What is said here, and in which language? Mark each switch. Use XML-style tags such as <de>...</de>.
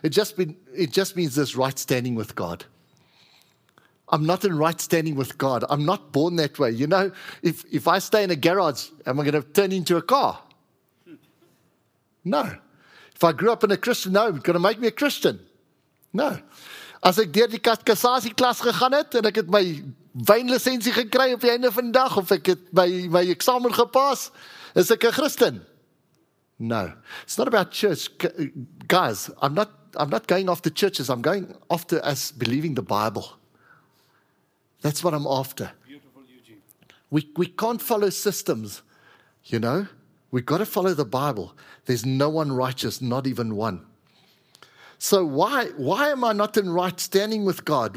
<en>It just means this right standing with God. I'm not in right standing with God. I'm not born that way. You know, if I stay in a garage, am I going to turn into a car? No. If I grew up in a Christian, no, it's going to make me a Christian. No.</en> <af>As ek deur die kassasie klas gegaan het en ek het my wynlisensie gekry op die einde van die dag, of ek het my eksamen gepas, is ek 'n Christen?</af> <en>No. It's not about church. Guys, I'm not going after churches. I'm going after us believing the Bible. That's what I'm after. Beautiful Eugene. We can't follow systems, you know? We've got to follow the Bible. There's no one righteous, not even one. So why am I not in right standing with God?</en>